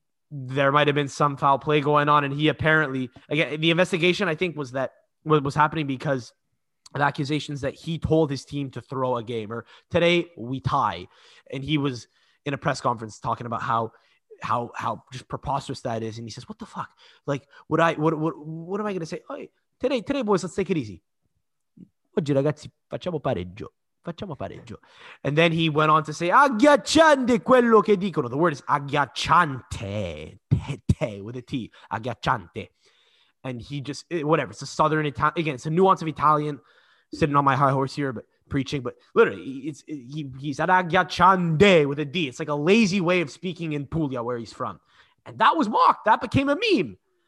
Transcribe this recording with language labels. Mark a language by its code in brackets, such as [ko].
[en] there might have been some foul play going on, and he apparently, again, the investigation, I think, was that what was happening because of accusations that he told his team to throw a game, or today we tie, and he was in a press conference talking about how just preposterous that is, and he says, what the fuck, like, what am I going to say? Hey, today, boys, let's take it easy. [it] Oggi, ragazzi, facciamo pareggio. [en] And then he went on to say, [it] agghiacciante quello che dicono. [en] The word is agghiacciante, te, with a T, agghiacciante. And he just, whatever, it's a Southern Italian, again, it's a nuance of Italian, sitting on my high horse here, but preaching, but literally, he's at agghiacciante with a D. It's like a lazy way of speaking in Puglia, where he's from. And that was mocked. That became a meme.